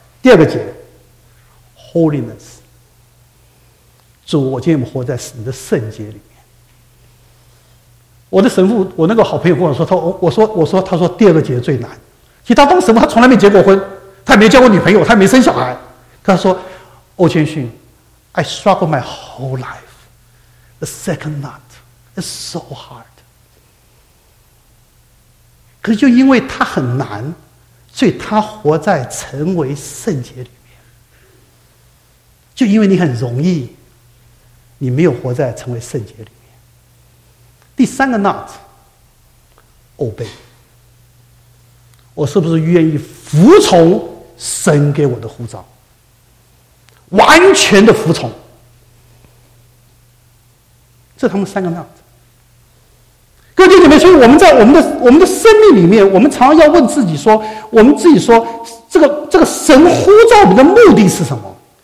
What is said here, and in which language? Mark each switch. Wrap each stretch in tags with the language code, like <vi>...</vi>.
<zh>第二个节 ，holiness。主，我今天活在你的圣洁里面。我的神父，我那个好朋友跟我说，他说第二个节最难。其实他当神父，他从来没结过婚，他也没交过女朋友，他也没生小孩。他说，</zh> <en>欧谦逊 ，I struggle my whole life。 The second knot is so hard。</en> <zh>可是就因为他很难，所以他活在成为圣洁里面。就因为你很容易，你没有活在成为圣洁里面。第三个 knot， obey。我是不是愿意服从神给我的呼召，完全的服从。这他们三个样子，各位弟兄姐妹，所以我们的生命里面，我们常常要问自己说，这个神呼召我们的目的是什么？</zh>